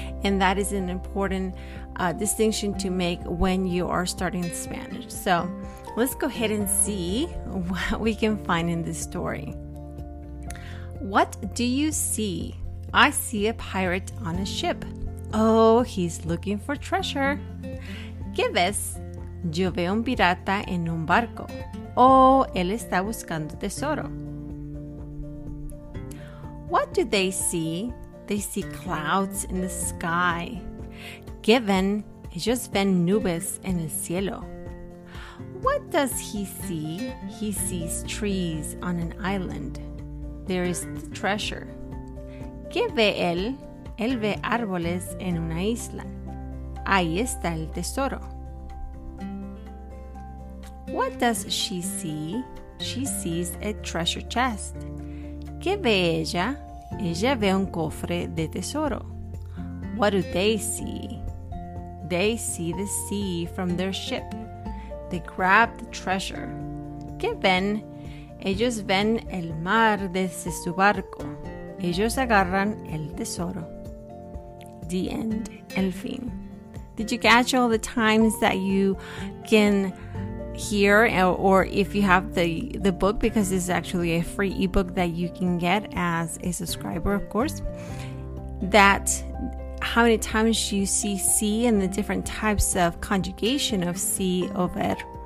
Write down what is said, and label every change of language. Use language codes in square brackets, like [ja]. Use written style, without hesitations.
[en] And that is an important distinction to make when you are starting Spanish. So let's go ahead and see what we can find in this story. What do you see? I see a pirate on a ship. Oh, he's looking for treasure. [es] ¿Qué ves? Yo veo un pirata en un barco. Oh, él está buscando tesoro. [en] What do they see? They see clouds in the sky. [es] ¿Qué ven? Ellos ven nubes en el cielo. [en] What does he see? He sees trees on an island. There is the treasure. [es] ¿Qué ve él? Él ve árboles en una isla. Ahí está el tesoro. [en] What does she see? She sees a treasure chest. [es] ¿Qué ve ella? Ella ve un cofre de tesoro. [en] What do they see? They see the sea from their ship. They grab the treasure. [es] ¿Qué ven? Ellos ven el mar desde su barco. Ellos agarran el tesoro. [en] The end. [es] El fin. [en] Did you catch all the times that you can hear, or if you have the book, because this is actually a free ebook that you can get as a subscriber, of course, that how many times you see see and the different types of conjugation of see o ver.